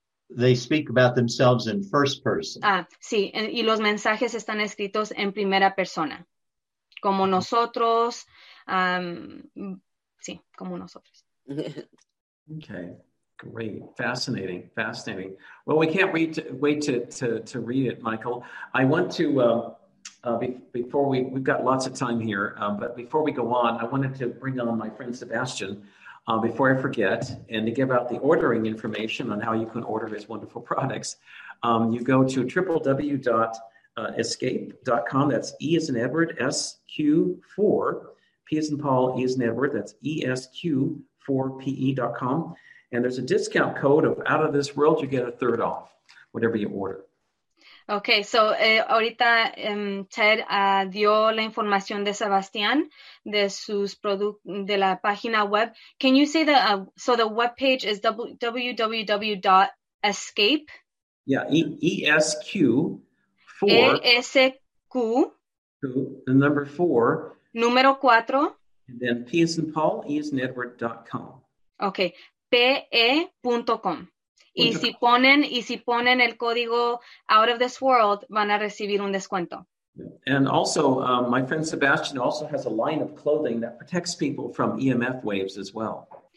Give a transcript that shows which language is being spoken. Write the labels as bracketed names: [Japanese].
[English] they speak about themselves in first person. [Spanish] Y los mensajes están escritos en primera persona, como nosotros. Sí, como nosotros. [English] Okay, great. Fascinating. Well, we can't wait to read it, Michael. I want to, before we've got lots of time here, but before we go on, I wanted to bring on my friend Sebastian. Before I forget, and to give out the ordering information on how you can order his wonderful products, you go to www.escape.com. That's E as in Edward, S-Q-4, P as in Paul, E as in Edward. That's E-S-Q-4-P-E.com. And there's a discount code of Out of This World. You get a third off, whatever you order. [Spanish] Okay, so ahorita Ted dio la información de Sebastián de sus de la página web. [English] Can you say the so the web page is www.escape? Yeah, E-S-Q, four. E-S-Q. The number four. [Spanish] Número cuatro. [English] And then P as in Paul, E as in Edward.com. Okay, pe.com. [Spanish] Y si ponen el código Out of This World, van a recibir un descuento. [English] And also, my friend Sebastian also has a line of clothing that protects people from EMF waves as well.